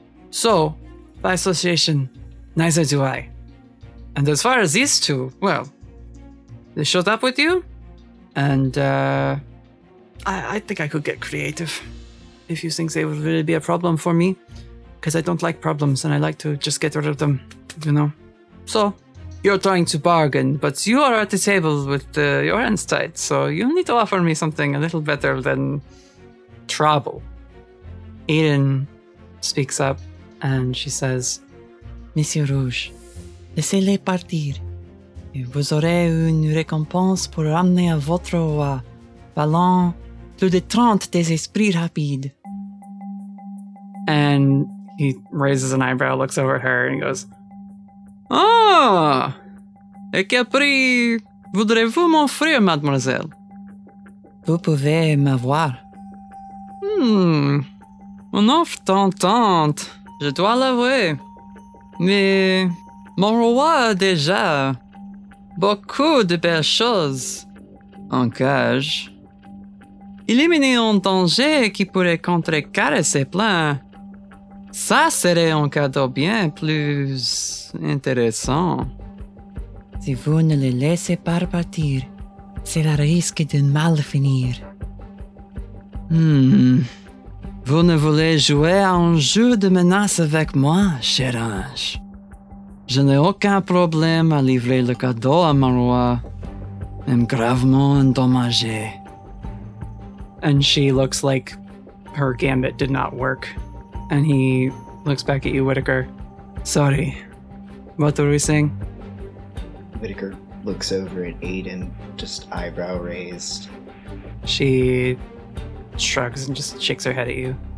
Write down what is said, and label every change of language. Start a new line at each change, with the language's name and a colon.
English: So, by association, neither do I. And as far as these two, well, they showed up with you, and, I think I could get creative if you think they would really be a problem for me, because I don't like problems and I like to just get rid of them, you know. So you're trying to bargain, but you are at the table with your hands tied, so you need to offer me something a little better than trouble. Aiden speaks up and she says,
French: Monsieur Rouge, laissez-les partir. Vous aurez une récompense pour ramener à votre Ballon, plus de trente des esprits rapides.
English: And he raises an eyebrow, looks over at her, and goes, Ah!
French: Et quel prix voudrez-vous m'offrir, mademoiselle? Vous pouvez m'avoir. Une offre tentante, je dois l'avouer. Mais mon roi a déjà beaucoup de belles choses en cage. Éliminer un danger qui pourrait contrecarrer ses plans, ça serait un cadeau bien plus intéressant. Si vous ne le laissez pas partir, c'est le risque de mal finir. Vous ne voulez jouer à un jeu de menace avec moi, cher ange. Je n'ai aucun problème à livrer le cadeau à mon roi, même gravement endommagé.
English: And she looks like her gambit did not work. And he looks back at you, Whittaker. Sorry. What were we saying? Whittaker looks over at Aiden, just eyebrow raised. She shrugs and just shakes her head at you.